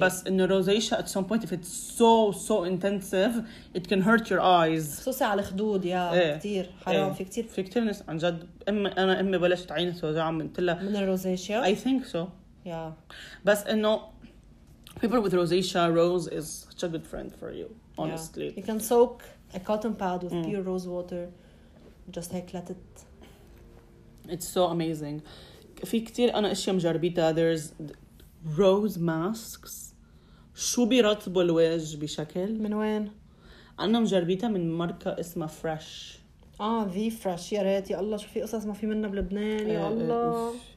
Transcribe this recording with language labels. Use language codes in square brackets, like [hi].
[ar] بس انه [en] rosacea at some point if it's so so intensive it can hurt your eyes [ar] خصوصا على الخدود يا كتير حرام في كتير ناس عن جد انا امي بلشت عينها توجع من الrosacea [en] I think so yeah [ar] بس انه [en] People with rosacea, rose is such a good friend for you, honestly. Yeah. You can soak a cotton pad with pure rose water. Just like let it... It's so amazing. [ar] في كتير أنا إشي مجربيتها. [en] There's rose masks. [ar] شو بيرطبوا الوجه بشكل؟ من وين؟ أنا مجربيتها من ماركة اسمها Fresh. The Fresh. يا ريت يا الله شو في قصص ما في منا بلبنان يا الله.